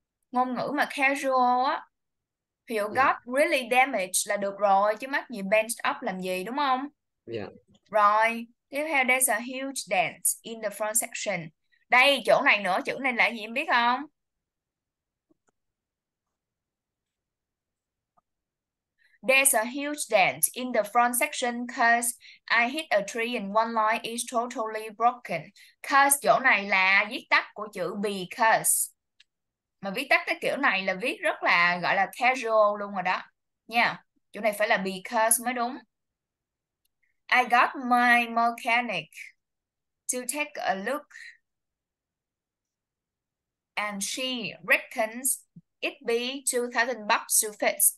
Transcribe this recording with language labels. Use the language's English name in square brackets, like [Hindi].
[Vietnamese] Ngôn ngữ mà casual á, ví dụ Dạ. [English] got really damaged [Vietnamese] là được rồi, chứ mắc gì [English] bench up [Vietnamese] làm gì đúng không? Dạ. Rồi, tiếp theo [English] there's a huge dent in the front section. [Vietnamese] Đây, chỗ này nữa, chữ này là gì em biết không? [English] There's a huge dent in the front section cause I hit a tree and one line is totally broken. [Vietnamese] Cause chỗ này là viết tắt của chữ because. Mà viết tắt cái kiểu này là viết rất là gọi là casual luôn rồi đó. Nha. Chỗ này phải là because mới đúng. [English] I got my mechanic to take a look and she reckons it be 2000 bucks to fix.